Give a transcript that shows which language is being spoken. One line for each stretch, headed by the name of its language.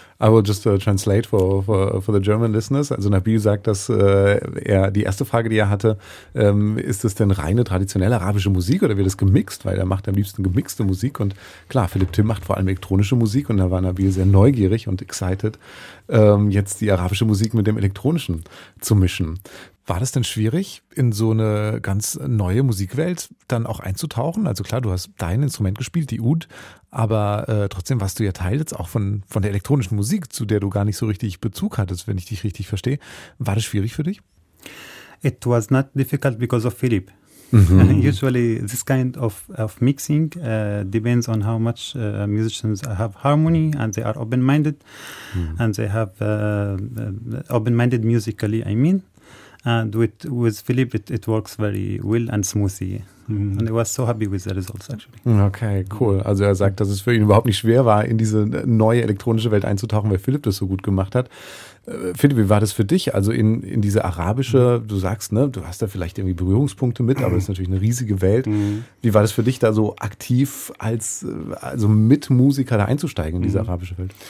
English: I will just translate for the German listeners.
German: Also Nabil sagt, dass er die erste Frage, die er hatte, ist es denn reine traditionelle arabische Musik oder wird es gemixt? Weil er macht am liebsten gemixte Musik. Und klar, Philipp Timm macht vor allem elektronische Musik. Und da war Nabil sehr neugierig und excited, jetzt die arabische Musik mit dem elektronischen zu mischen. War das denn schwierig, in so eine ganz neue Musikwelt dann auch einzutauchen? Also klar, du hast dein Instrument gespielt, die Oud, aber trotzdem warst du ja Teil jetzt auch von der elektronischen Musik, zu der du gar nicht so richtig Bezug hattest, wenn ich dich richtig verstehe. War das schwierig für dich?
English: It was not difficult because of Philipp. Usually this kind of mixing depends on how much musicians have harmony and they are open-minded and they have open-minded musically, I mean. And with Philipp, it works very well and smoothly. And I was so happy with the results, actually. Okay, cool.
German: Also er sagt, dass es für ihn überhaupt nicht schwer war, in diese neue elektronische Welt einzutauchen, weil Philipp das so gut gemacht hat. Philipp, wie war das für dich? Also in diese arabische, du sagst, ne, du hast da vielleicht irgendwie Berührungspunkte mit, aber es ist natürlich eine riesige Welt. Wie war das für dich, da so aktiv als also mit Musiker da einzusteigen in diese arabische Welt?